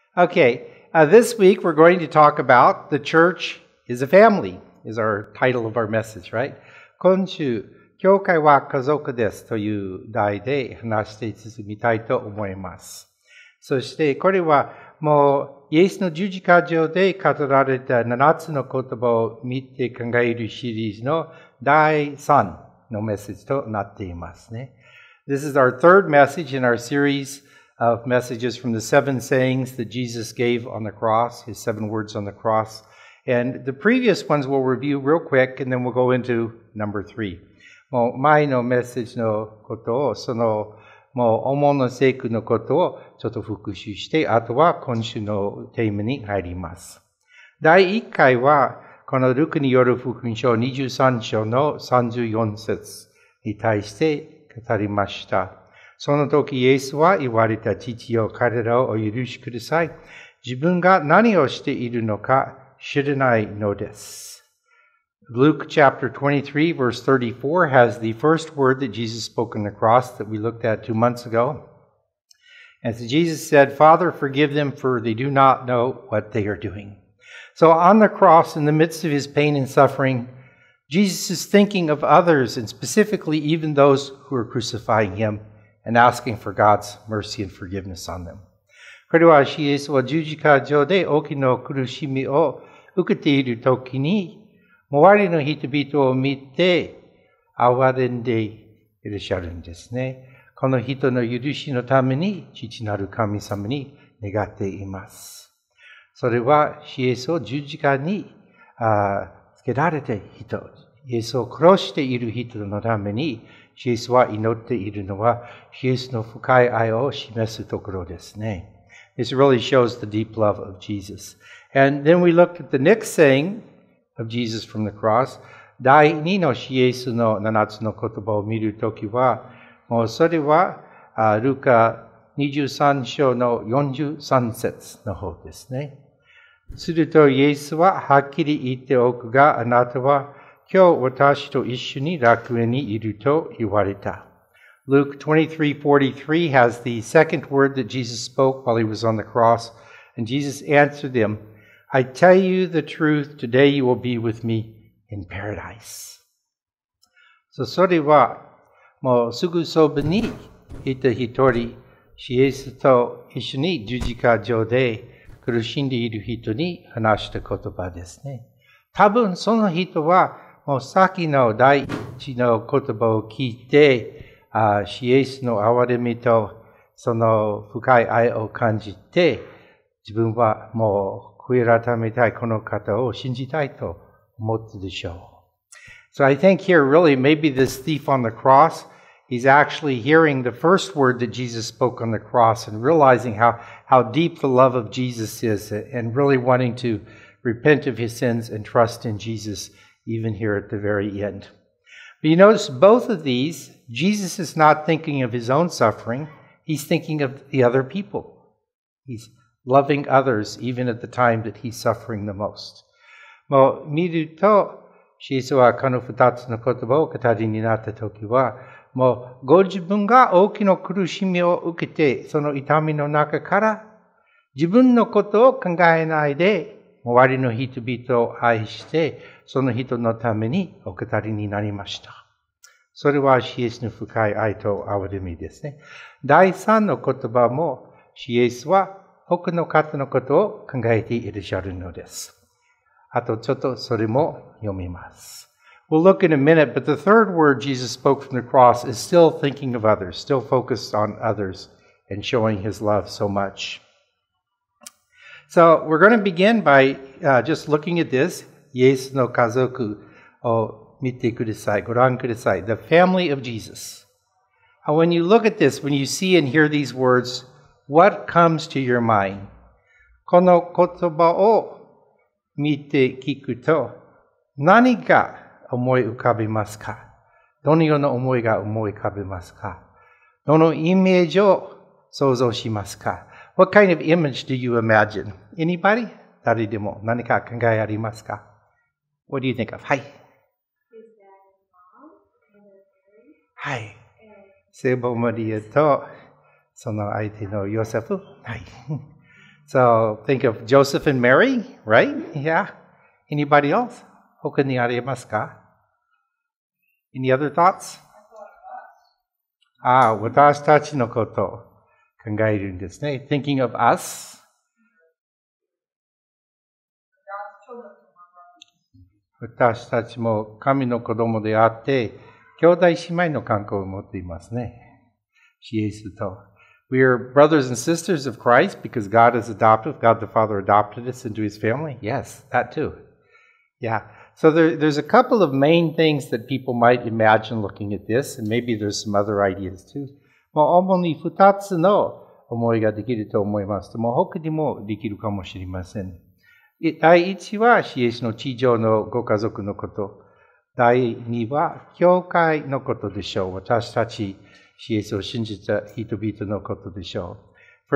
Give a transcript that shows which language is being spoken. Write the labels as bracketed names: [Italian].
[English] Okay, this week we're going to talk about the church is a family, is our title of our message, right? [Japanese] 今週、教会は家族ですという題で話して進みたいと思います。そして、これはもうイエスの十字架上で語られた7つの言葉を見て考えるシリーズの第3のメッセージとなっていますね。 [English] This is our third message in our series of messages from the seven sayings that Jesus gave on the cross, his seven words on the cross. And the previous ones we'll review real quick, and then we'll go into number three. [Japanese] もう前のメッセージのことを、そのもう主の聖句のことをちょっと復習して、あとは今週のテーマに入ります。第一回は、このルクによる福音書23章の34節に対して語りました。その時イエスは言われた、父よ、彼らをお許しください。自分が何をしているのか知らないのです。 [English] Luke chapter 23 verse 34 has the first word that Jesus spoke on the cross that we looked at 2 months ago. And so Jesus said, Father, forgive them for they do not know what they are doing. So on the cross, in the midst of his pain and suffering, Jesus is thinking of others and specifically even those who are crucifying him. And asking for God's mercy and forgiveness on them. [Japanese] これはイエスは十字架上で大きな苦しみを受けているときに、周りの人々を見て、憐れんでいらっしゃるんですね。この人の許しのために、父なる神様に願っています。それはイエスを十字架につけられた人、イエスを殺している人のために、イエスは祈っているのは、イエスの深い愛を示すところですね。 [English] This really shows the deep love of Jesus. And then we looked at the next saying of Jesus from the cross. [Japanese] 第二のイエスの七つの言葉を見るときは、もうそれは、ルカ23章の43節の方ですね。すると、イエスははっきり言っておくが、あなたは、今日私と一緒に楽園にいると言われた。 [English] Luke 23:43 has the second word that Jesus spoke while he was on the cross, and Jesus answered them, I tell you the truth, today you will be with me in paradise. [Japanese] So それは、もうすぐそばにいた一人、イエスと一緒に十字架上で苦しんでいる人に話した言葉ですね。多分その人は、もう先の第一の言葉を聞いて、イエスの憐れみとその深い愛を感じて、自分はもう悔い改めたいこの方を信じたいと思ったでしょう。 [English] So I think here really maybe this thief on the cross, he's actually hearing the first word that Jesus spoke on the cross and realizing how deep the love of Jesus is and really wanting to repent of his sins and trust in Jesus. Even here at the very end. But you notice both of these, Jesus is not thinking of his own suffering, he's thinking of the other people. He's loving others even at the time that he's suffering the most. [Japanese] もう見ると、イエスはこの二つの言葉を語りになったときは、もうご自分が大きな苦しみを受けて、その痛みの中から、自分のことを考えないで、周りの人々を愛して、その人のためにお語りになりました。それはイエスの深い愛と憐れみですね。第三の言葉もイエスは他の方のことを考えていらっしゃるのです。あとちょっとそれも読みます。 [English] We'll look in a minute, but the third word Jesus spoke from the cross is still thinking of others, still focused on others and showing his love so much. So we're going to begin by just looking at this. [Japanese] イエスの家族を見てください。ご覧ください。 [English] The family of Jesus. And when you look at this, when you see and hear these words, what comes to your mind? [Japanese] この言葉を見て聞くと、何が思い浮かびますか？どのような思いが思い浮かびますか？どのイメージを想像しますか？ [English] What kind of image do you imagine? Anybody? [Japanese] 誰でも何か考えありますか？ [English] What do you think of? Hi. Is that mom? [Japanese] Hi. セボマリアとその相手のヨセフ。はい。 [English] So think of Joseph and Mary, right? Yeah. Anybody else? [Japanese] 他にありますか? [English] Any other thoughts? [Japanese] Ah, 私たちのこと考えるんですね。 [English] Thinking of us. [Japanese] 私たちも神の子供であって、兄弟姉妹の関係を持っていますね。イエスと。 [English] We are brothers and sisters of Christ because God has adopted, God the Father adopted us into His family. Yes, that too. Yeah. So there's a couple of main things that people might imagine looking at this, and maybe there's some other ideas too. [Japanese] まあ、主に2つの思いができると思います。でも他にもできるかもしれません。第一は、主イエスの地上のご家族のこと。第二は、教会のことでしょう。私たち、主イエスを信じた人々のことでしょう。